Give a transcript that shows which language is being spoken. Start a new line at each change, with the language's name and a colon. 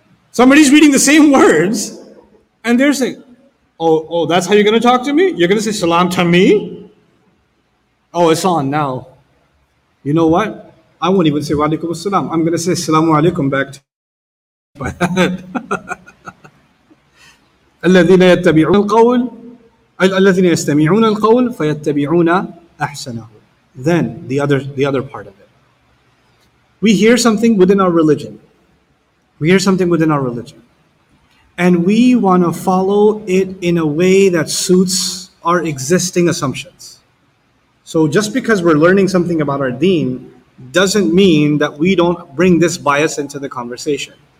English: Somebody's reading the same words and they're saying, oh, that's how you're going to talk to me? You're going to say salam to me? Oh, it's on now. You know what? I won't even say wa alaikum assalam. I'm going to say salamu alaikum back to my head.
Arabic: الَّذِينَ يَتَّبِعُونَ الْقَوْلَ الَّذِينَ يَسْتَمِعُونَ الْقَوْلَ فَيَتَّبِعُونَ أَحْسَنَهُ
English: Then, the other part of it. We hear something within our religion. We hear something within our religion. And we want to follow it in a way that suits our existing assumptions. So just because we're learning something about our deen doesn't mean that we don't bring this bias into the conversation.